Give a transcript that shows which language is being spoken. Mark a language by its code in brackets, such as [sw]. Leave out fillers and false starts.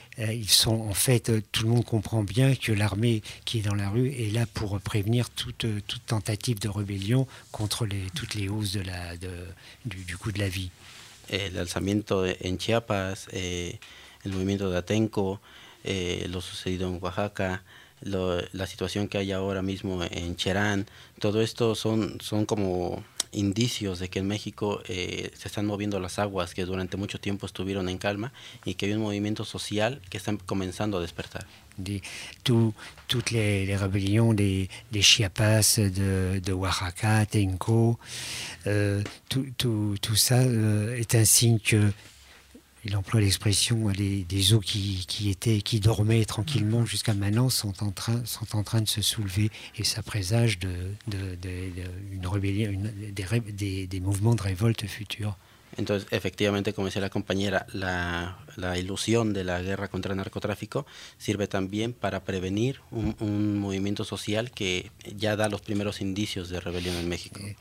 [fr] Ils sont en fait, tout le monde comprend bien que l'armée qui est dans la rue est là pour prévenir toute tentative de rébellion contre toutes les hausses du coût de la vie. [es] El alzamiento en Chiapas, el movimiento de Atenco, lo sucedido en Oaxaca, la situación que hay ahora mismo en Cherán, todo esto son como indicios de que en México se están moviendo las aguas que durante mucho tiempo estuvieron en calma y que hay un movimiento social que está comenzando a despertar. [fr] Toutes les rébellions des Chiapas, de Oaxaca, Tenco, tout ça est un signe que, il emploie l'expression, des eaux qui dormaient tranquillement jusqu'à maintenant sont en train de se soulever et ça présage des mouvements de révolte futurs. [es] Entonces, efectivamente, como decía la compañera, la ilusión de la guerra contra el narcotráfico sirve también para prevenir un movimiento social que ya da los primeros indicios de rebelión en México.